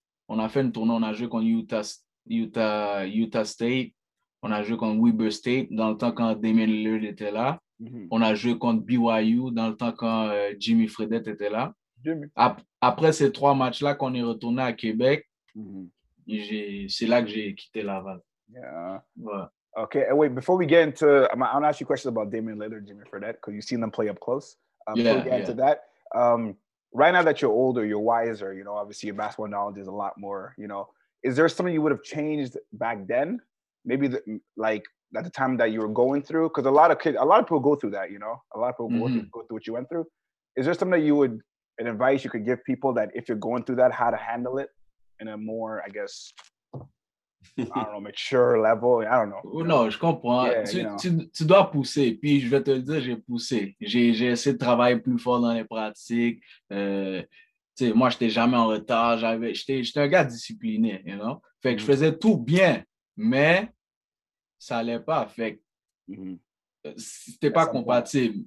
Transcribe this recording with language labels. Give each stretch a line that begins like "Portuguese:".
French: On a fait un tournoi, on a joué contre Utah State. On a joué contre Weber State dans le temps quand Damian Lillard était là. Mm-hmm. On a joué contre BYU dans le temps quand Jimmy Fredette était là. Après ces trois matchs-là, quand on est retourné à Québec, c'est là que j'ai quitté Laval.
English: Yeah.
French: Voilà.
English: Okay, and wait, before we get into, I'm going to ask you questions about Damian Lillard, Jimmy Fredette, because you've seen them play up close. Before we get into that, right now that you're older, you're wiser, you know, obviously your basketball knowledge is a lot more, you know, is there something you would have changed back then? Maybe at the time that you were going through? Because a lot of people go through that, you know, a lot of people go through what you went through. Is there something that you would, an advice you could give people that if you're going through that, how to handle it in a more, I guess, mature level, I don't know.
French: Non, je comprends. Yeah, tu dois pousser. Puis je vais te le dire, j'ai poussé. J'ai essayé de travailler plus fort dans les pratiques. Moi, je n'étais jamais en retard. J'étais un gars discipliné,
English: you know?
French: Fait que je faisais tout bien, mais ça n'allait pas. Fait que c'était pas compatible.